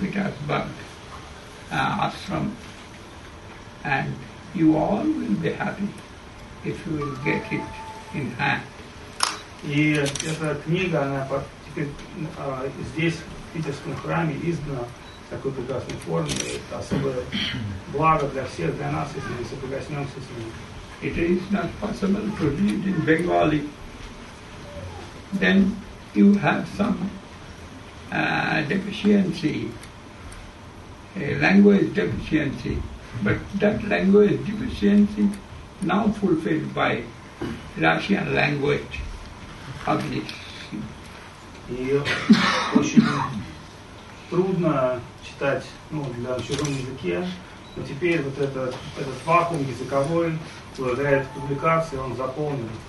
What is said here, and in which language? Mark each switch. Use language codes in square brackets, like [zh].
[en] Petersburg ashram, and you all will be happy if you will get it in hand. [ru] И эта книга, она теперь здесь, в Питерском храме, издана в такой прекрасной форме. Это особое благо для всех, для нас, если мы соприкоснемся с ним. [en] It is not possible to read in Bengali. Then you have some deficiency, a language deficiency, but that language deficiency now fulfilled by Russian language publishing. [ru] И очень трудно читать, на чужом языке, но теперь вот этот вакуум языковой, благодаря этой публикации, он заполнен.